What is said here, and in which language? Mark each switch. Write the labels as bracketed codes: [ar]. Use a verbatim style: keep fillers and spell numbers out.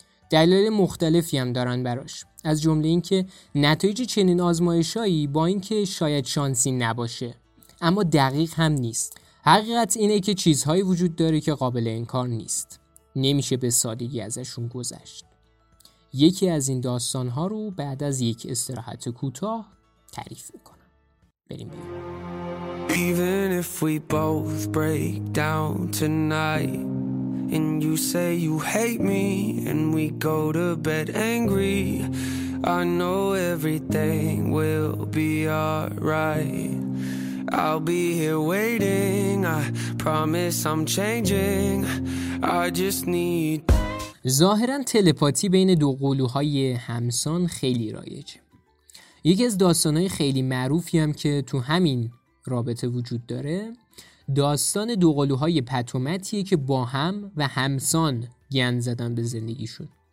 [fa] دلایل مختلفی هم دارن براش، از جمله اینکه نتایج چنین آزمایشایی با اینکه شاید شانسی نباشه اما دقیق هم نیست. حقیقت اینه که چیزهایی وجود داره که قابل انکار نیست، نمیشه به سادگی ازشون گذشت. یکی از این داستانها رو بعد از یک استراحت کوتاه تعریف میکنم. بریم بریم. [en] Even if we both break down tonight and you say you hate me and we go to bed angry, I know everything will be alright. I'll be here waiting, I promise I'm changing, I just need. [fa] ظاهراً تلپاتی بین دو قلوهای همسان خیلی رایجه. یکی از داستانهای خیلی معروفی هم که تو همین رابطه وجود داره داستان دو قلوهای پتومتیه که با هم و همسان گند زدن به زندگیشون.